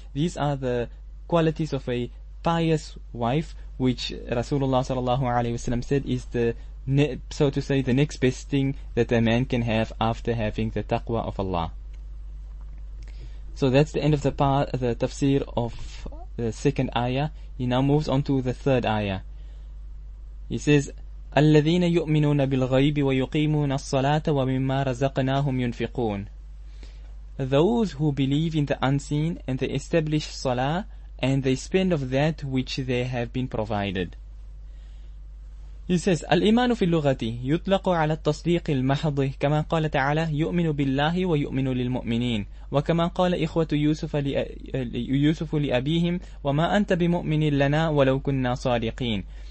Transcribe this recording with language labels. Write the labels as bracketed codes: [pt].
[en] These are the qualities of a pious wife, which Rasulullah sallallahu alaihi wasallam said is the, so to say, the next best thing that a man can have after having the taqwa of Allah. So that's the end of the tafsir of the second ayah. He now moves on to the third ayah. He says, [ar] الَّذِينَ يُؤْمِنُونَ بِالْغَيْبِ وَيُقِيمُونَ الصَّلَاةَ وَمِمَّا رَزَقْنَاهُمْ يُنْفِقُونَ. [en] Those who believe in the unseen and they establish salah and they spend of that which they have been provided. He says, [ar] الْإِيمَانُ فِي اللُّغَةِ يُطْلَقُ عَلَى التَّصْدِيقِ الْمَحْضِ كَمَا قَالَ تَعَالَى يُؤْمِنُ بِاللَّهِ وَيُؤْمِنُ لِلْمُؤْمِنِينَ وَكَمَا قَالَ إِخْوَةُ يُوسُفُ لِأَبِيهِمْ وَمَا أَنْتَ بِمُؤْمِنٍ لَنَا وَلَوْ كُنَّا صَادِقِينَ.